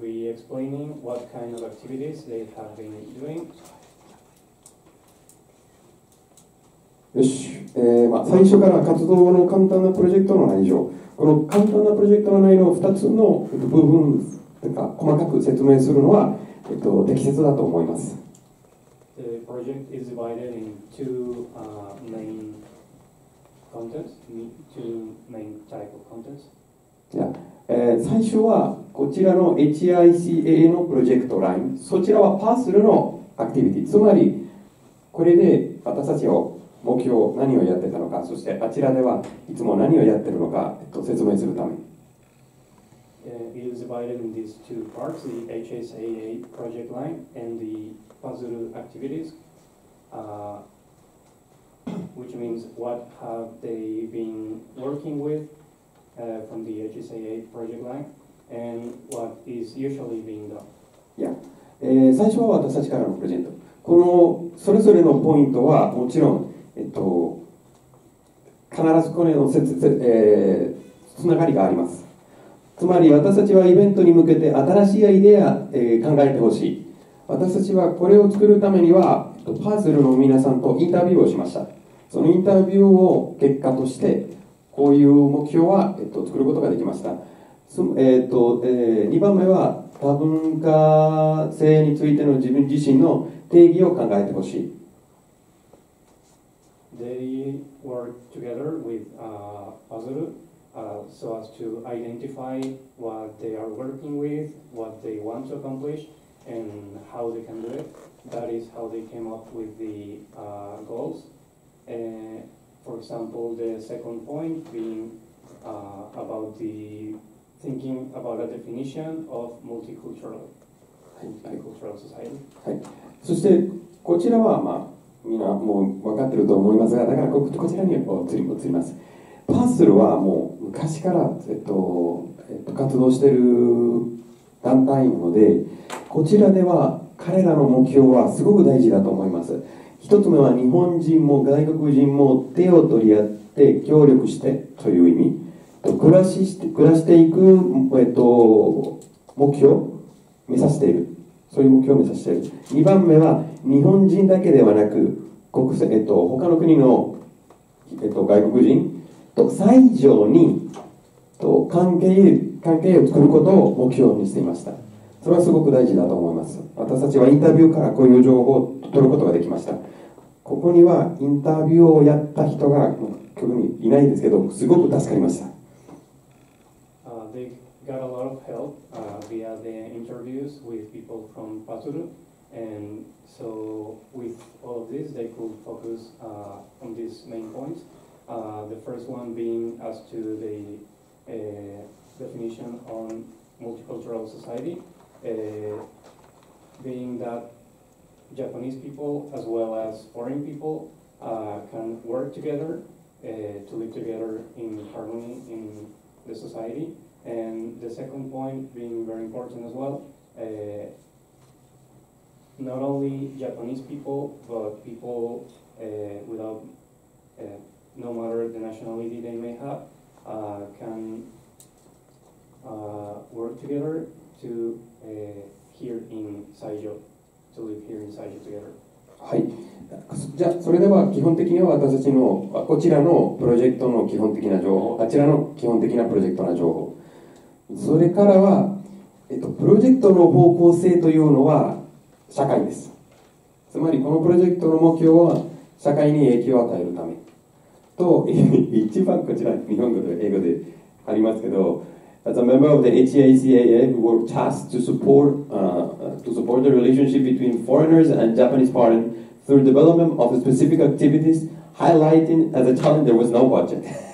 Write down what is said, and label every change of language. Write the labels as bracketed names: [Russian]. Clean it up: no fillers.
[English] Explaining what kind of activities they have been doing. [Japanese] よし、最初から活動の簡単なプロジェクトの内容、この簡単なプロジェクトの内容を2つの部分とか細かく説明するのは、適切だと思います。 [English] The project is divided in two, main contents, two main type of contents. Yeah. [Japanese] 最初はこちらの HICA のプロジェクトライン、そちらはパースルのアクティビティ、つまりこれで私たちを目標何をやってたのか、そしてあちらではいつも何をやってるのか、説明するため。 [English] It is divided in these two parts, the HICA project line and the puzzle activities, which means what have they been working with, from the HICA project line. And what is usually being done. Yeah. [Japanese] 最初は私たちからのプレゼント。このそれぞれのポイントはもちろん、必ずこれのつながりがあります。つまり私たちはイベントに向けて新しいアイデア、考えてほしい。私たちはこれを作るためには、パズルの皆さんとインタビューをしました。そのインタビューを結果としてこういう目標は、作ることができました。 2番目は多文化性についての自分自身の定義を考えてほしい。 [English] They work together with Puzzle, so as to identify what they are working with, what they want to accomplish, and how they can do it. That is how they came up with the goals. For example, the second point being about theThinking about a definition of multicultural, multicultural society. [Japanese] はい。そしてこちらはまあみんなもう分かってると思いますが、だからこちらに移ります。パースルはもう昔から活動している団体なので、こちらでは彼らの目標はすごく大事だと思います。一つ目は日本人も外国人も手を取り合って協力してという意味。暮らしていく、目標を目指している。そういう目標を目指している。 2番目は、日本人だけではなく、他の国の、外国人と最上に、関係を作ることを目標にしていました。それはすごく大事だと思います。私たちはインタビューからこういう情報を取ることができました。ここにはインタビューをやった人が、特にいないんですけど、すごく助かりました。 [English] Got a lot of help via the interviews with people from Pazuru, and so with all of this, they could focus on these main points. The first one being as to the definition on multicultural society, being that Japanese people as well as foreign people can work together to live together in harmony in the society. And the second point being very important as well, not only Japanese people, but people without, no matter the nationality they may have, can work together to here in Saijo, to live here in Saijo together. [Japanese] はい。じゃあ、それでは基本的には私たちのこちらのプロジェクトの基本的な情報、あちらの基本的なプロジェクトの情報。それからは、プロジェクトの方向性というのは社会です。つまりこのプロジェクトの目標は社会に影響を与えるためと、一番こちら日本語と英語でありますけど、 [English] As a member of the HICAA, we were tasked to support, to support the relationship between foreigners and Japanese partners through development of specific activities, highlighting as a challenge there was no budget.